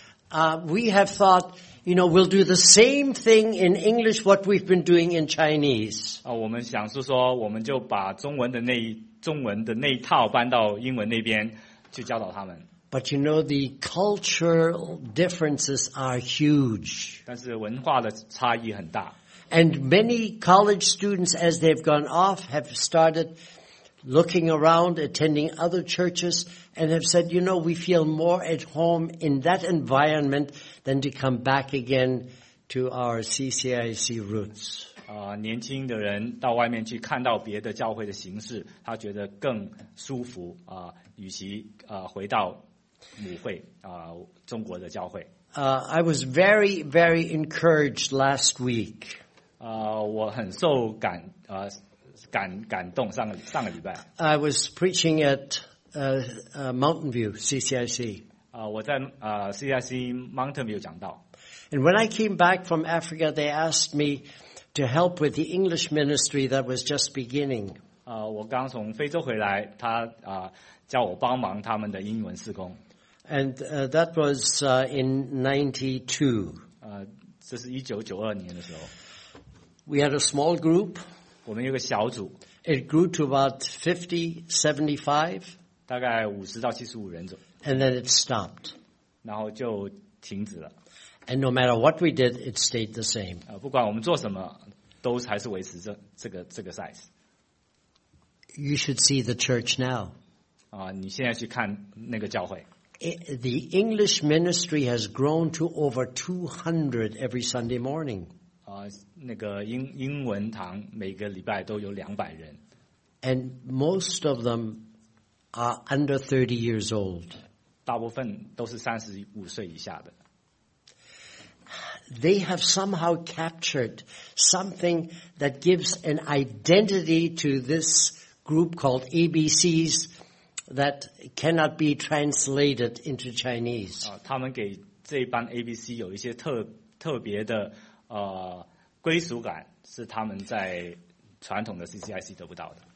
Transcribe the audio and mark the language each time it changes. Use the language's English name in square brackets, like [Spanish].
[English] We have thought, you know, we'll do the same thing in English what we've been doing in Chinese. [Chinese] 我们想是说，我们就把中文的那一套搬到英文那边去教导他们。 [English] But you know, the cultural differences are huge. [Chinese] 但是文化的差异很大。 [English] And many college students, as they've gone off, have started looking around, attending other churches, and have said, you know, we feel more at home in that environment than to come back again to our CCIC roots. [Chinese] 年轻的人到外面去看到别的教会的形式，他觉得更舒服啊，与其回到母会啊，中国的教会。 [English] I was very, very encouraged last week. [Chinese] 我很受感感动上个礼拜。 [English] I was preaching at Mountain View CCIC. [Chinese] 我在CCIC Mountain View 讲道。 [English] And when I came back from Africa, they asked me to help with the English ministry that was just beginning. [Chinese] 我刚从非洲回来，他叫我帮忙他们的英文事工。 [English] And that was in 92. [Chinese] 这是1992年的时候。 [English] We had a small group. [Chinese] 我们有个小组。 [English] It grew to about 50, 75. [Chinese] 大概50到75人左右。 [English] And then it stopped. [Chinese] 然后就停止了。 [English] And no matter what we did, it stayed the same. [Chinese] 不管我们做什么，都还是维持这个 size. [English] You should see the church now. [Chinese] 你现在去看那个教会。 [English] The English ministry has grown to over 200 every Sunday morning. [Chinese] 那个英文堂每个礼拜都有200人。 [English] And most of them are under 30 years old. [Chinese] 大部分都是35岁以下的。 [English] They have somehow captured something that gives an identity to this group called ABCs that cannot be translated into Chinese. [Chinese] 他们给这班 ABC 有一些特别的归属感，是他们在传统的 CCIC 得不到的。